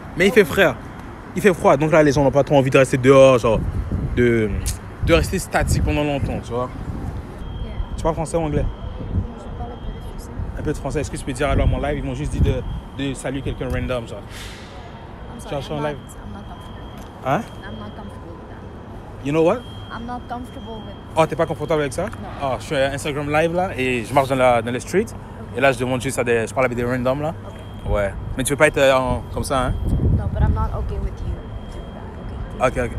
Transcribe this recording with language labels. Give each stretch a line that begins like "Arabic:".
French: Mais il fait frais, il fait froid. Donc là, les gens n'ont pas trop envie de rester dehors, genre, de rester statique pendant longtemps, tu vois. Tu parles français ou anglais? Un peu de français. Est-ce que je peux dire alors mon live? Ils m'ont juste dit de saluer quelqu'un
English: random,
French: genre. Sorry, tu as un live? Hein?
English: I'm not comfortable with that. You know what? I'm not comfortable with.
French: Oh, t'es pas confortable avec ça? Non. Oh, je suis à Instagram live là et je marche dans la
English: street. Okay.
French: Et là, je demande juste à des. Je parle avec des
English: random
French: là. Ok. Ouais. Mais tu veux pas être comme ça, hein?
English: No, but I'm not okay with you doing that. Okay.